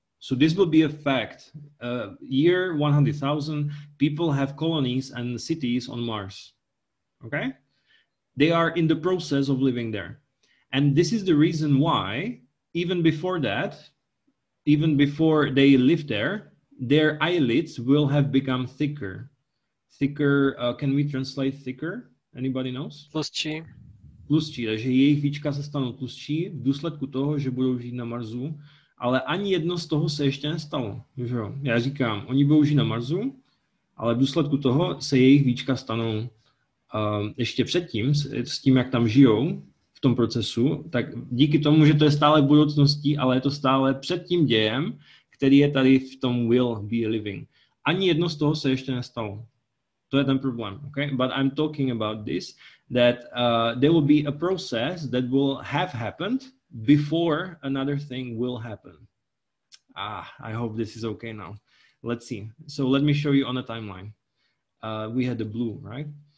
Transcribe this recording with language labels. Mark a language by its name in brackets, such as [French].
[English] So this will be a fact. Year 100,000, people have colonies and cities on Mars. Okay? They are in the process of living there. And this is the reason why, even before that, even before they live there, their eyelids will have become thicker. Thicker, can we translate thicker? Anybody knows? [Czech] Tlustší. Tlustší, takže jejich víčka se stanou tlustší v důsledku toho, že budou žít na Marsu, ale ani jedno z toho se ještě nestalo. Že? Já říkám, oni budou žít na Marsu, ale v důsledku toho se jejich víčka stanou ještě předtím, s tím, jak tam žijou, v tom procesu, tak díky tomu, že to je stále v budoucnosti, ale je to stále před tím dějem, který je tady v tom will be living. Ani jedno z toho se ještě nestalo. To je ten problém, okay? [English] But I'm talking about this, that there will be a process that will have happened before another thing will happen. Ah, I hope this is okay now. Let's see. So let me show you on the timeline. We had the blue, right?